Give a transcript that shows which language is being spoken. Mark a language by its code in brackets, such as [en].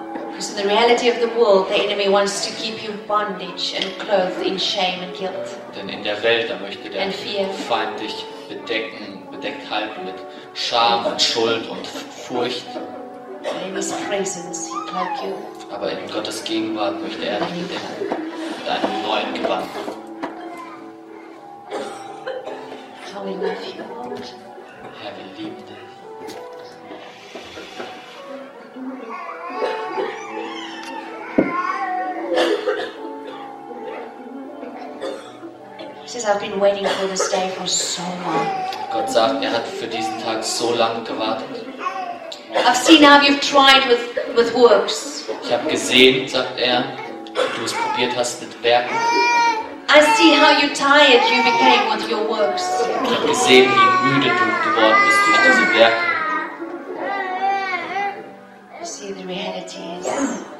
[en] Because in the reality of the world, the enemy wants to keep you bondage and clothed in shame and guilt. [de] Denn in der Welt, da möchte der Feind dich bedeckt halten mit Scham und Schuld und Furcht. [en] In his presence, he cloak you. [de] Aber in Gottes Gegenwart möchte er dich bedecken mit einem neuen Gewand. [en] How we love you, Lord. [de] Herr, wir lieben dich. Yeah. [en] says, I've been waiting for this day for so long. [de] Gott sagt, hat für diesen Tag so lange gewartet. [en] I've seen how you've tried with works. [de] Ich habe gesehen, sagt wie du es probiert hast mit Werken. [en] I see how you tired you became with your works. [de] Ich habe gesehen, wie müde du geworden bist durch diese Werke.